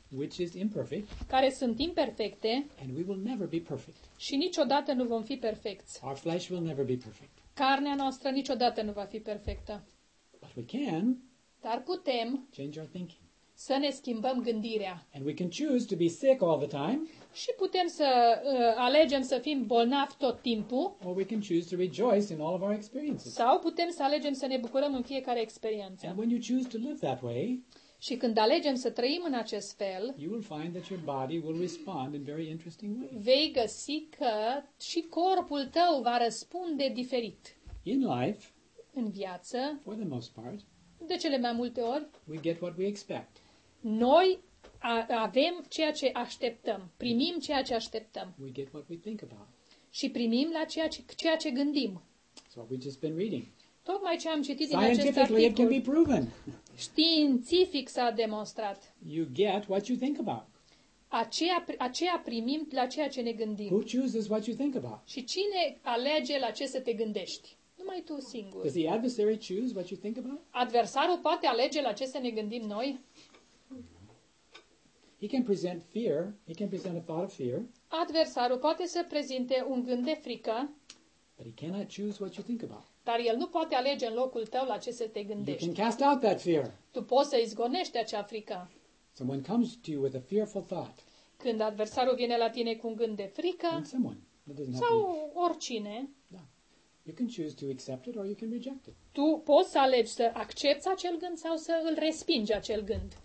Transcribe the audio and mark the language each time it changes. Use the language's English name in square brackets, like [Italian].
[English] which is imperfect, [Romanian] care sunt imperfecte, [English] and we will never be perfect. [Romanian] Și niciodată nu vom fi perfecți. [English] Our flesh will never be perfect. [Romanian] Carnea noastră niciodată nu va fi perfectă. [English] But we can, [Romanian] dar putem, [English] change our thinking, [Romanian] să ne schimbăm gândirea. [English] And we can choose to be sick all the time. [Romanian] Și putem să alegem să fim bolnavi tot timpul. [English] Or we can choose to rejoice in all of our experiences. [Romanian] Sau putem să alegem să ne bucurăm în fiecare experiență. [English] And when you choose to live that way, [Romanian] și când alegem să trăim în acest fel, [English] you will find that your body will respond in very interesting ways. [Romanian] Vei găsi că și corpul tău va răspunde diferit. [English] In life, [Romanian] în viață, [English] for the most part, [Romanian] de cele mai multe ori, [English] we get what we expect. [Romanian] Noi avem ceea ce așteptăm, primim ceea ce așteptăm. [English] We get what we think about. [Romanian] Și primim la ceea ce gândim. [English] So we've just been reading. [Romanian] Tocmai ce am citit din acest articol, științific s-a demonstrat. [English] You get what you think about. [Romanian] Aceea primim la ceea ce ne gândim. [English] Who chooses what you think about? [Romanian] Și cine alege la ce să te gândești? Numai tu singur. [English] Does the adversary choose what you think about? [Romanian] Adversarul poate alege la ce să ne gândim noi? [English] He can present fear. He can present a thought of fear. [Romanian] Adversarul poate să prezinte un gând de frică. [English] But he cannot choose what you think about. [Romanian] Dar el nu poate alege în locul tău la ce să te gândești. [English] You can cast out that fear. [Romanian] Tu poți să izgonești acea frică. [English] Someone comes to you with a fearful thought. [Romanian] Când adversarul vine la tine cu un gând de frică. [English] Someone. That doesn't [Romanian] sau oricine. Da. [English] You can choose to accept it or you can reject it. [Romanian] Tu poți să alegi să accepți acel gând sau să îl respingi acel gând.